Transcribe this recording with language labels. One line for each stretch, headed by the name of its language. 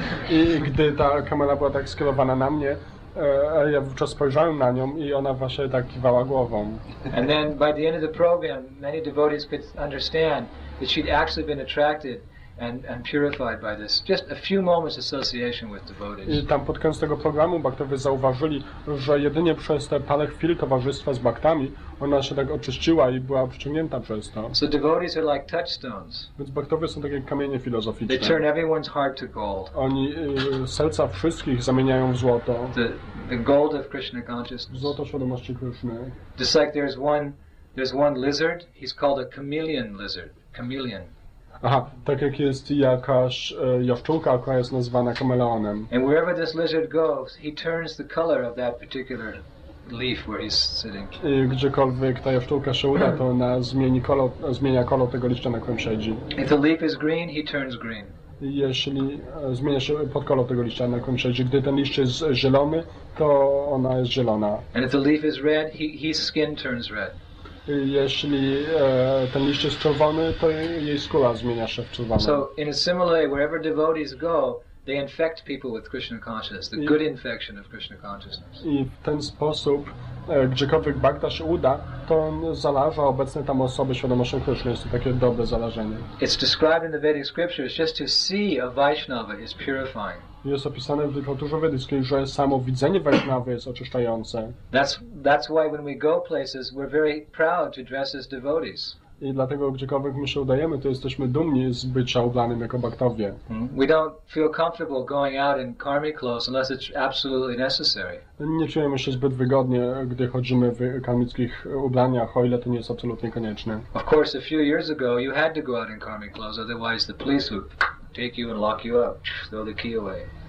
Polish: I gdy ta kamera była tak skierowana na mnie, ja wówczas spojrzałem na nią i ona właśnie tak kiwała głową.
English: And then by the end of the program, many devotees could understand that she'd actually been attracted and purified by this. Just a few moments association with devotees.
Polish: I tam pod koniec tego programu bhaktowie zauważyli, że jedynie przez te parę chwil towarzystwa z bhaktami ona się tak oczyściła i była przyciągnięta przez to.
English: So devotees are like touchstones.
Polish: Więc bhaktowie są takie kamienie filozoficzne.
English: They turn everyone's heart to gold.
Polish: Oni serca wszystkich zamieniają w złoto.
English: The gold of Krishna consciousness.
Polish: Złoto świadomości Krishna.
English: Just like there's one lizard, he's called a chameleon lizard. Chameleon.
Polish: Aha, tak jak jest jakaś jaszczurka, która jest nazywana kameleonem.
English: And wherever this lizard goes, he turns the color of that particular leaf where he's sitting.
Polish: I gdziekolwiek ta jaszczurka się uda, to ona zmienia kolor tego liścia, na którym siedzi.
English: If the leaf is green, he turns green.
Polish: Jeśli zmienia się pod kolor tego liścia, na którym siedzi, gdy ten liść jest zielony, to ona jest zielona.
English: And if the leaf is red, his skin turns red.
Polish: Jeśli ten liść jest czerwony, to jej skóra zmienia się w czerwoną.
English: So in a similar way, wherever devotees go, they infect people with Krishna consciousness, the good infection of Krishna consciousness.
Polish: I w ten sposób, gdziekolwiek bhakta się uda, to on zalaża obecne tam osoby świadomością Krishna. Jest to takie dobre zalażenie.
English: It's described in the Vedic scriptures, just to see a Vaishnava is purifying.
Polish: Jest opisane w literaturze wedyckiej, że samo widzenie Vaishnavy jest oczyszczające.
English: That's why when we go places, we're very proud to dress as devotees.
Polish: I dlatego gdziekolwiek my się udajemy, to jesteśmy dumni z bycia ubranym jako bhaktowie.
English: We don't feel comfortable going out in karmic clothes unless it's absolutely necessary.
Polish: Nie czujemy się zbyt wygodnie, gdy chodzimy w karmickich ubraniach, o ile to nie jest absolutnie konieczne.
English: Of course, a few years ago, you had to go out in karmic clothes, otherwise the police would take you and lock you up, throw the key away.